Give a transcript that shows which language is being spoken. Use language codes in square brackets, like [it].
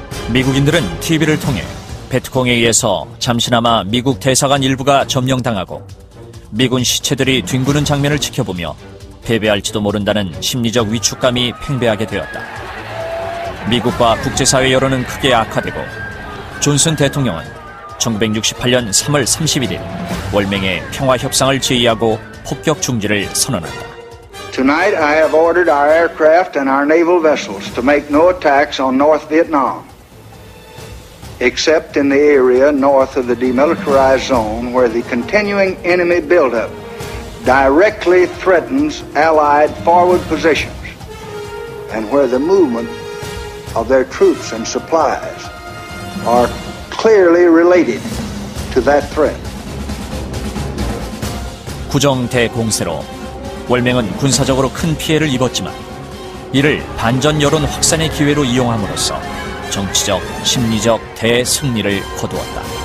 [ko] 미국인들은 TV를 통해 베트콩에 의해서 잠시나마 미국 대사관 일부가 점령당하고 미군 시체들이 뒹구는 장면을 지켜보며 패배할지도 모른다는 심리적 위축감이 팽배하게 되었다. 미국과 국제사회 여론은 크게 악화되고 존슨 대통령은 1968년 3월 31일 월맹의 평화협상을 지휘하고 폭격 중지를 선언한다. [en] Tonight I have ordered our aircraft and our naval vessels to make no attacks on North Vietnam. Except in the area north of the demilitarized zone where the continuing enemy buildup directly threatens Allied forward positions and where the movement of their troops and supplies are clearly related to that threat. [ko] 구정 대공세로 월맹은 군사적으로 큰 피해를 입었지만 이를 반전 여론 확산의 기회로 이용함으로써 정치적, 심리적 대승리를 거두었다.